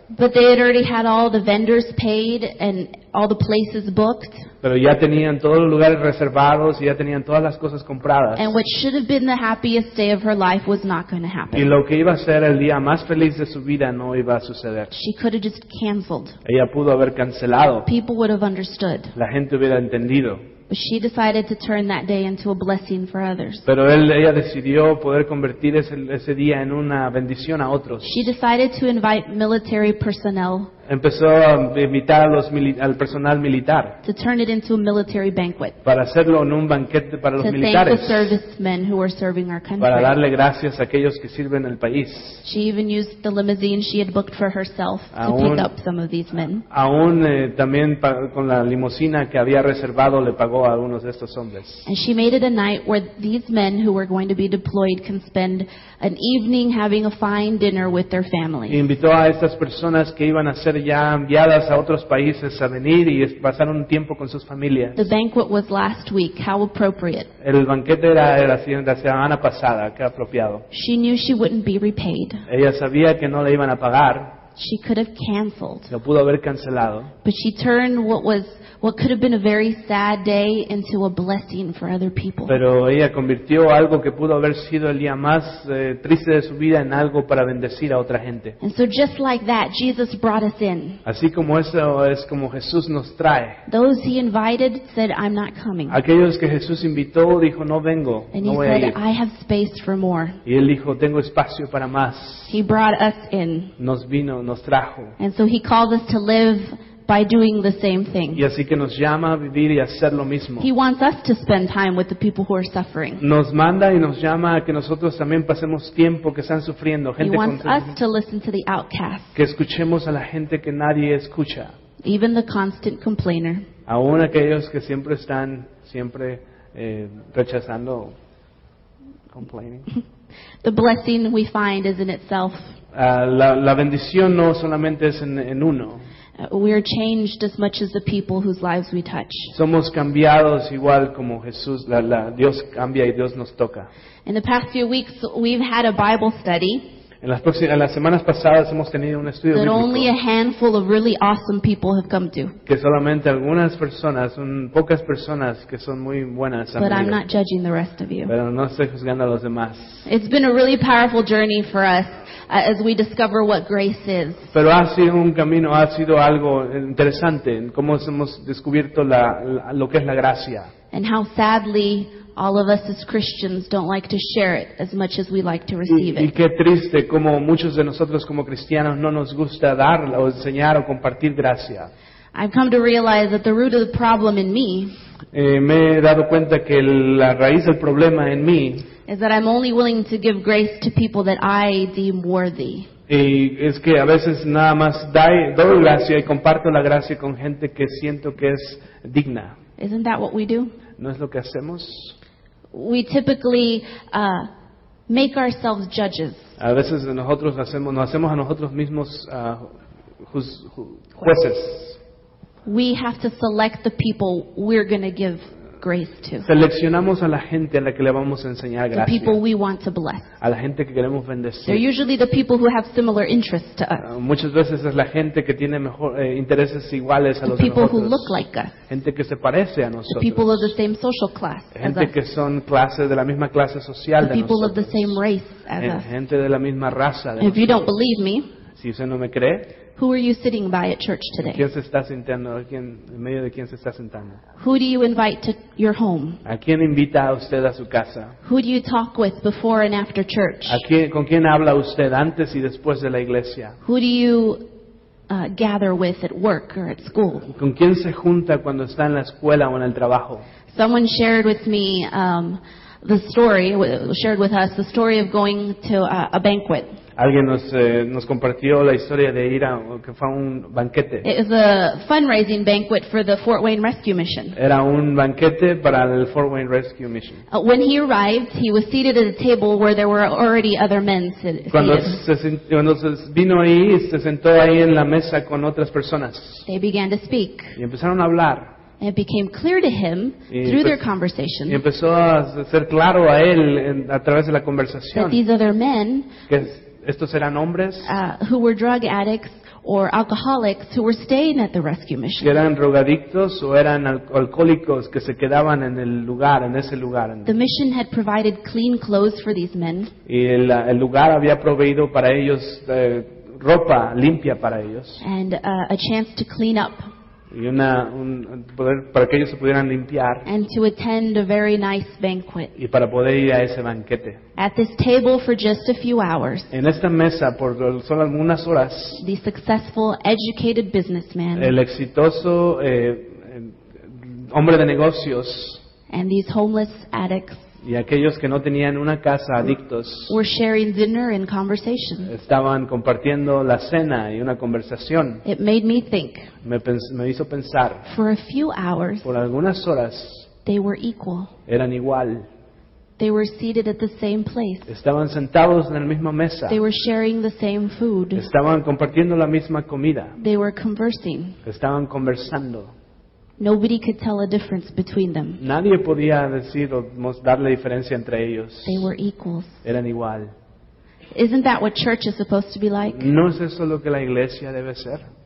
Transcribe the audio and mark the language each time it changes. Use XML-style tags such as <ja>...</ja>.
<en>But they had already had all the vendors paid and all the places booked.</en> <es>Pero ya tenían todos los lugares reservados y ya tenían todas las cosas compradas.</es> <en>And what should have been the happiest day of her life was not going to happen.</en> <es>Y lo que iba a ser el día más feliz de su vida no iba a suceder.</es> <en>She could have just canceled.</en> <es>Ella pudo haber cancelado.</es> <en>People would have understood.</en> <es>La gente hubiera entendido.</es> <en>But she decided to turn that day into a blessing for others.</en> <es>Pero ella decidió poder convertir ese día en una bendición a otros.</es> <en>She decided to invite military personnel.</en> <es>Empezó a invitar al personal militar.</es> <en>To turn it into a military banquet.</en> <es>Para hacerlo en un banquete para los militares.</es> <en>To thank the servicemen who are serving our country.</en> <es>Para darle gracias a aquellos que sirven el país.</es> <en>She even used the limousine she had booked for herself to pick up some of these men.</en> <es>Aún también con la limusina que había reservado le pagó a algunos de estos hombres.</es> <en>And she made it a night where these men who were going to be deployed can spend an evening having a fine dinner with their family.</en> <es>Y invitó a estas personas que iban a ser ya enviadas a otros países a venir y pasar un tiempo con sus familias.</es> <en>The banquet was last week. How appropriate.</en> <es>El banquete era la semana pasada. Qué apropiado.</es> <en>She knew she wouldn't be repaid.</en> <es>Ella sabía que no le iban a pagar.</es> <en>She could have canceled.</en> <es>Lo pudo haber cancelado.</es> <en>But she turned what could have been a very sad day into a blessing for other people.</en> <es>Pero ella convirtió algo que pudo haber sido el día más triste de su vida en algo para bendecir a otra gente.</es> <en>And so just like that, Jesus brought us in.</en> <es>Así como eso es como Jesús nos trae.</es> <en>Those he invited said, I'm not coming.</en> <es>Aquellos que Jesús invitó dijo, no vengo,</es> <en>and</en> <es>no voy</es> <en>said,</en> <es>a ir.</es> <en>And he said, I have space for more.</en> <es>Y él dijo, tengo espacio para más.</es> <en>He brought us in.</en> <es>Nos vino, nos trajo.</es> <en>And so he called us to live by doing the same thing.</en> <es>Y así que nos llama a vivir y hacer lo mismo.</es> <en>He wants us to spend time with the people who are suffering.</en> <es>Nos manda y nos llama a que nosotros también pasemos tiempo que están sufriendo, gente con.</es> <en>He wants us to listen to the outcast.</en> <es>Que escuchemos a la gente que nadie escucha.</es> <en>Even the constant complainer.</en> <es>Aún aquellos que siempre están siempre rechazando,</es> <en>complaining. The blessing we find is in itself.</en> <es>La bendición no solamente es en uno.</es> <en>We are changed as much as the people whose lives we touch.</en> <es>Somos cambiados igual como Jesús. Dios cambia y Dios nos toca.</es> <en>In the past few weeks, we've had a Bible study.</en> <es>En las semanas pasadas hemos tenido un estudio bíblico.</es> <en>That only a handful of really awesome people have come to.</en> <es>Que solamente algunas personas, pocas personas que son muy buenas.</es> <en>But I'm not judging the rest of you.</en> <es>Pero no estoy juzgando a los demás.</es> <en>It's been a really powerful journey for us. As we discover what grace is.</en> <es>Pero ha sido un camino, ha sido algo interesante en cómo hemos descubierto lo que es la gracia.</es> <en>And how sadly all of us as Christians don't like to share it as much as we like to receive it.</en> <es>Y qué triste cómo muchos de nosotros como cristianos no nos gusta dar o enseñar o compartir gracia.</es> <en>I've come to realize that the root of the problem in me.</en> <es>Me he dado cuenta que la raíz del problema en mí.</es> <en>Is that I'm only willing to give grace to people that I deem worthy.</en> <es>Y es que a veces nada más doy gracia y comparto la gracia con gente que siento que es digna.</es> <en>Isn't that what we do?</en> <es>¿No es lo que hacemos?</es> <en>We typically make ourselves judges.</en> <es>A veces nosotros nos hacemos a nosotros mismos jueces.</es> <en>We have to select the people we're going to give grace to.</en> <es>Seleccionamos a la gente a la que le vamos a enseñar gracia.</es> <en>The people we want to bless.</en> <es>A la gente que queremos bendecir.</es> <en>They're usually the people who have similar interests to us.</en> <es>Muchas veces es la gente que tiene mejor intereses iguales a los nosotros.</es> <en>People who look like us.</en> <es>Gente que se parece a nosotros.</es> <en>The people of the same social class.</en> <es>Gente que son clases de la misma clase social.</es> <en>The people of the same race as us.</en> <es>Gente de la misma raza.</es> <en>If you don't believe me.</en> <es>Si usted no me cree.</es> <en>Who are you sitting by at church today?</en> <es>¿Quién se está sentando? ¿En medio de quién se está sentando?</es> <en>Who do you invite to your home?</en> <es>¿A quién invita usted a su casa?</es> <en>Who do you talk with before and after church?</en> <es>¿Con quién habla usted antes y después de la iglesia?</es> <en>Who do you gather with at work or at school?</en> <es>¿Con quién se junta cuando está en la escuela o en el trabajo?</es> <en>Someone shared with me the story of going to a banquet.</en> <es>Alguien nos compartió la historia de ir a que fue un banquete.</es> <en>It was a fundraising banquet for the Fort Wayne Rescue Mission.</en> <es>Era un banquete para el Fort Wayne Rescue Mission.</es> <en>When he arrived, he was seated at a table where there were already other men seated.</en> <es>Cuando vino ahí, se sentó ahí en la mesa con otras personas.</es> <en>They began to speak.</en> <es>Y empezaron a hablar.</es> <en>And it became clear to him through their conversation.</en> <es>Y empezó a ser claro a él a través de la conversación.</es> <en>That these other men.</en> <es>Que estos eran hombres</es> <en>who were drug addicts or alcoholics who were staying at the rescue mission.</en> <es>Eran drogadictos o eran alcohólicos que se quedaban en el lugar, en ese lugar.</es> <en>The mission had provided clean clothes for these men.</en> <es>Y el lugar había proveído para ellos ropa limpia para ellos.</es> <en>And a chance to clean up.</en> <es>Y una poder para que ellos se pudieran limpiar.</es> <en>And to attend a very nice banquet.</en> <es>Y para poder ir a ese banquete.</es> <en>At this table for just a few hours.</en> <es>En esta mesa por solo algunas horas.</es> <en>The successful, educated businessman.</en> <es>El exitoso hombre de negocios.</es> <en>And these homeless addicts.</en> <es>Y aquellos que no tenían una casa, adictos,</es> <en>were sharing dinner and conversation.</en> <es>Estaban compartiendo la cena y una conversación.</es> <en>It made me think.</en> <es>Me hizo pensar.</es> <en>For a few hours,</en> <es>por algunas horas,</es> <en>they were equal.</en> <es>Eran igual.</es> <en>They were seated at the same place.</en> <es>Estaban sentados en la misma mesa.</es> <en>They were sharing the same food.</en> <es>Estaban compartiendo la misma comida.</es> <en>They were conversing.</en> <es>Estaban conversando.</es> <en>Nobody could tell a difference between them.</en> <es>Nadie podía decir o dar la diferencia entre ellos.</es> <en>They were equals.</en> <es>Eran igual.</es> <en>Isn't that what church is supposed to be like?</en> <es>¿No es eso lo que la iglesia debe ser?</es>